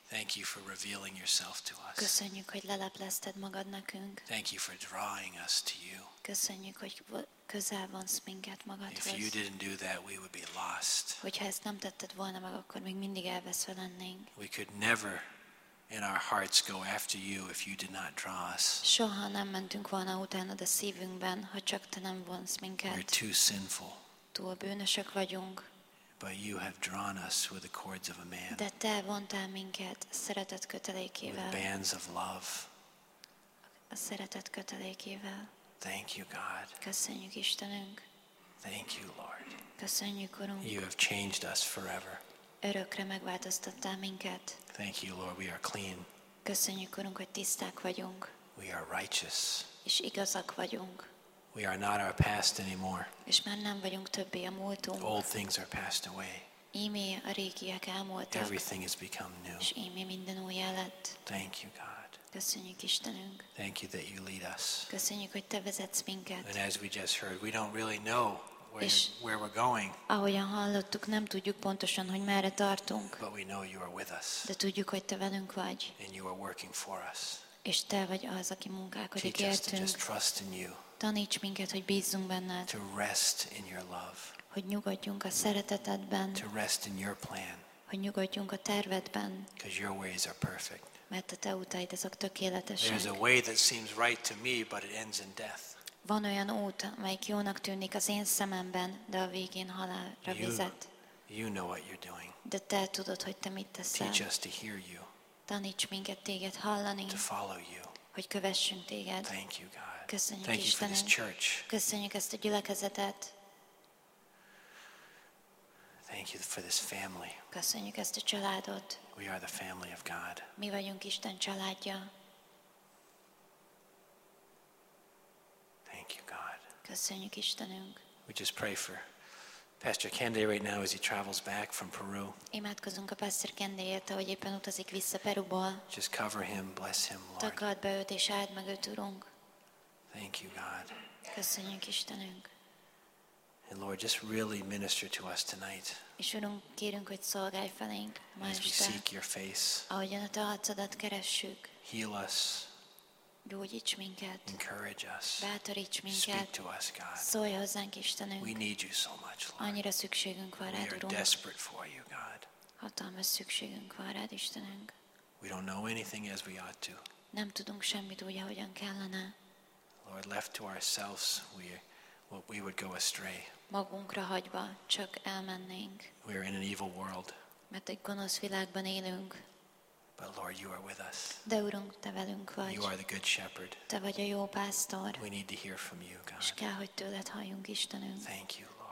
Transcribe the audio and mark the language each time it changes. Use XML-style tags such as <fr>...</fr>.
<en>Thank you for revealing yourself to us.</en> <hu>Köszönjük, hogy lelepleszted magad nekünk.</hu> <en>Thank you for drawing us to you.</en> <hu>Köszönjük, hogy közel vonsz minket magadhoz.</hu> <en>If you didn't do that, we would be lost.</en> <hu>Hogyha ezt nem tetted volna meg, akkor még mindig elveszve lennénk.</hu> <en>We could never in our hearts go after you if you did not draw us.</en> <hu>Soha nem mentünk volna utánad a szívünkben, ha csak te nem vonsz minket.</hu> <en>We're too sinful.</en> <hu>Túl bűnösök vagyunk.</hu> <en>But you have drawn us with the cords of a man.</en> <hu>De te vontál minket a szeretet kötelékével.</hu> <en>With bands of love.</en> <hu>A szeretet kötelékével.</hu> <en>Thank you, God.</en> <hu>Köszönjük, Istenünk.</hu> <en>Thank you, Lord.</en> <hu>Köszönjük, Urunk.</hu> <en>You have changed us forever.</en> <hu>Örökre megváltoztattál minket.</hu> <en>Thank you, Lord, we are clean.</en> <hu>Köszönjük, Urunk, hogy tiszták vagyunk.</hu> <en>We are righteous.</en> <hu>És igazak vagyunk.</hu> <en>We are not our past anymore.</en> <hu>És már nem vagyunk többé a múltunk.</hu> <en>Old things are passed away.</en> <hu>Ímé a régiek elmúltak.</hu> <en>Everything has become new.</en> <hu>És ímé minden újjá lett.</hu> <en>Thank you, God.</en> <hu>Köszönjük, Istenünk.</hu> <en>Thank you that you lead us.</en> <hu>Köszönjük, hogy te vezetsz minket.</hu> <en>And as we just heard, we don't really know where we're going.</en> <hu>Ahogyan hallottuk, nem tudjuk pontosan, hogy merre tartunk.</hu> <en>But we know you are with us.</en> <hu>De tudjuk, hogy te velünk vagy.</hu> <en>And you are working for us.</en> <hu>És te vagy az, aki munkálkodik értünk.</hu> <en>Just trust in you.</en> <hu>Taníts minket, hogy bízzunk benned.</hu> <en>To rest in your love.</en> <hu>Hogy nyugodjunk a szeretetedben.</hu> <en>To rest in your plan.</en> <hu>Hogy nyugodjunk a tervedben.</hu> <en>Because your ways are perfect.</en> <hu>Mert a te utaid azok tökéletesek.</hu> <en>There's a way that seems right to me, but it ends in death.</en> <hu>Van olyan út, amelyik jónak tűnik az én szememben, de a végén halálra vezet.</hu> <en>You know what you're doing.</en> <hu>De te tudod, hogy te mit teszel.</hu> <en>Teach us to hear you.</en> <hu>Taníts minket téged hallani.</hu> <en>To follow you.</en> <hu>Hogy kövessünk téged.</hu> <en>Thank you, God.</en> <hu>Köszönjük,</hu> <en>thank</en> <hu>Istenem.</hu> <en>You for this church.</en> <hu>Köszönjük ezt a gyülekezetet.</hu> <en>Thank you for this family.</en> <hu>Köszönjük ezt a családot.</hu> <en>We are the family of God.</en> <hu>Mi vagyunk Isten családja. Köszönjük, Istenünk.</hu> <en>We just pray for Pastor Kende right now as he travels back from Peru.</en> <hu>Imádkozunk a Pastor Kendéért, ahogy éppen utazik vissza Perúból.</hu> <en>Just cover him, bless him, Lord.</en> <hu>Takard be őt és áld meg őt, Urunk.</hu> <en>Thank you, God.</en> <hu>Köszönjük, Istenünk.</hu> <en>And Lord, just really minister to us tonight.</en> <hu>És Urunk, kérünk, hogy szolgálj felénk ma este.</hu> <en>As we seek your face.</en> <hu>Ahogyan a te arcodat keressük.</hu> <en>Heal us.</en> <hu>Gyógyíts minket.</hu> <en>Encourage us.</en> <hu>Bátoríts minket.</hu> <en>Speak to us, God.</en> <hu>Szólj hozzánk, Istenünk.</hu> <en>We need you so much, Lord.</en> <hu>Annyira szükségünk van rád, Urunk.</hu> <en>We are desperate for you, God.</en> <hu>Hatalmas szükségünk van rád, Istenünk.</hu> <en>We don't know anything as we ought to.</en> <hu>Nem tudunk semmit úgy, ahogyan kellene.</hu> <en>Lord, left to ourselves, we would go astray.</en> <hu>Magunkra hagyva csak elmennénk.</hu> <en>We are in an evil world.</en> <hu>Mert egy gonosz világban élünk.</hu> <en>But Lord, you are with us.</en> <hu>De Urunk, te velünk vagy.</hu> <en>You are the good shepherd.</en> <hu>Te vagy a jó pásztor.</hu> <en>We need to hear from you, God.</en> <hu>És kell, hogy tőled halljunk, Istenünk.</hu> <en>Thank you, Lord.</en>